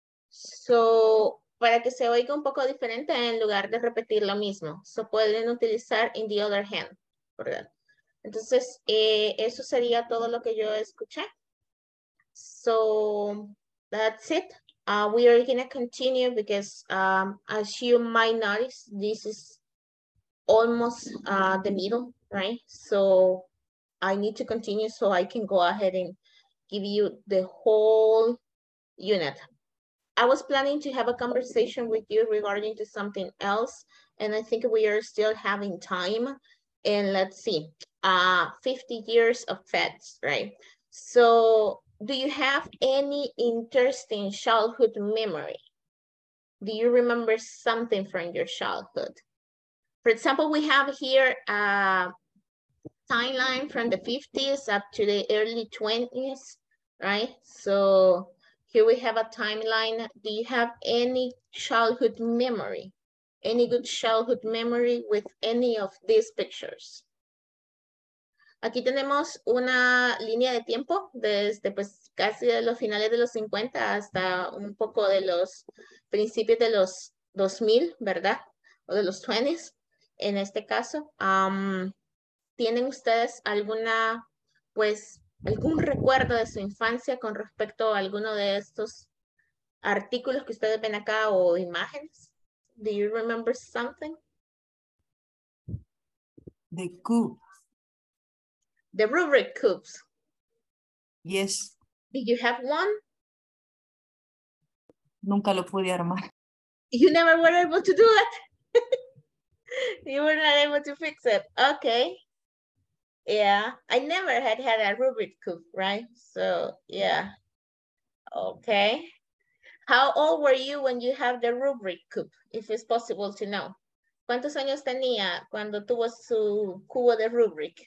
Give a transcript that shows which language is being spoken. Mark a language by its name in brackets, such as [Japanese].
[Spanish] So, para que se oiga un poco diferente en lugar de repetir lo mismo. So pueden utilizar [English] in the other hand, [Spanish] ¿verdad? Entonces, eso sería todo lo que yo escuché. [English] So that's it. We are going to continue because as you might notice, this is almost the middle, right? So I need to continue so I can go ahead and give you the whole unit. I was planning to have a conversation with you regarding to something else. And I think we are still having time. And let's see, 50 years of feds, right? So do you have any interesting childhood memory? Do you remember something from your childhood? For example, we have here a timeline from the 50s up to the early 20s, right? So here we have a timeline. Do you have any childhood memory? Any good childhood memory with any of these pictures? [Spanish] Aquí tenemos una línea de tiempo desde pues casi de los finales de los 50 hasta un poco de los principios de los 2000, ¿verdad? O de los 20s, en este caso. ¿Tienen ustedes alguna, pues, algún recuerdo de su infancia con respecto a alguno de estos artículos que ustedes ven acá o imágenes? [English] Do you remember something? The coup. The rubric cubes. Yes. Did you have one? [Spanish] Nunca lo pude armar. [English] You never were able to do it. You were not able to fix it. Okay. Yeah, I never had a Rubik cube, right? So, yeah. Okay. How old were you when you had the Rubik cube, if it's possible to know? [Spanish] ¿Cuántos años tenía cuando tuvo su cubo de Rubik?